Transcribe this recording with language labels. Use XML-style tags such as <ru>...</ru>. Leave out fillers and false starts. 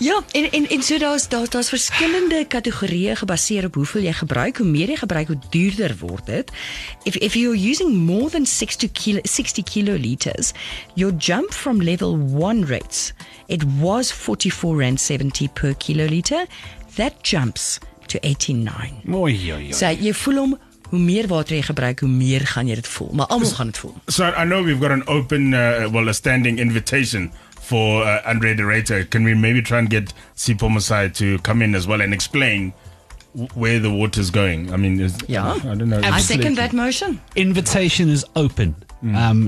<af>Ja, en so daar's verskillende kategorieë gebaseer op hoeveel jy gebruik. Hoe meer jy gebruik, hoe duurder word dit.</af> <en>If you're using more than 60 kiloliters, your jump from level 1 rates, it was R44.70 per kiloliter, that jumps to R89.</en> <af>Mooi, joi, joi. So jy voel om, hoe meer water jy gebruik, hoe meer gaan jy dit voel. Maar almal gaan dit voel.</af> <en>So I know we've got an open, a standing invitation for Andre De Reiter. Can we maybe try and get Sipho Mosai to come in as well and explain where the water is going? I mean, I don't know. I second that motion. Invitation is open. Mm.</en>